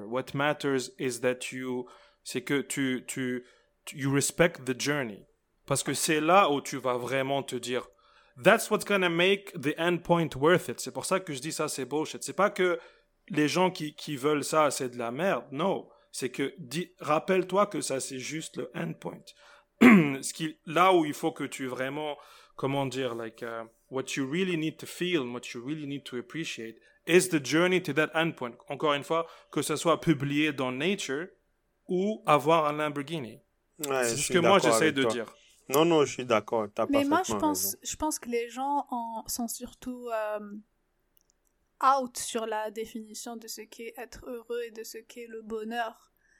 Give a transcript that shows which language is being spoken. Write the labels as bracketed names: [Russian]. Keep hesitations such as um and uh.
[English] What matters is that you, [French] c'est que tu, tu, tu, [English] you respect the journey. [French] Parce que c'est là où tu vas vraiment te dire, [English] that's what's gonna make the end point worth it. [French] C'est pour ça que je dis ça, c'est bullshit. C'est pas que les gens qui, qui veulent ça, c'est de la merde. Non. C'est que, rappelle-toi que ça, c'est juste le end point. Ce là où il faut que tu vraiment, comment dire, [English] like, uh, what you really need to feel, and what you really need to appreciate, is the journey to that end point. [French] Encore une fois, que ce soit publié dans Nature ou avoir un Lamborghini. Ouais, c'est ce que moi j'essaie de toi. dire. Non, non, je suis d'accord. Mais moi, je pense, raison. je pense que les gens en sont surtout euh, out sur la définition de ce qu'est être heureux et de ce qu'est le bonheur.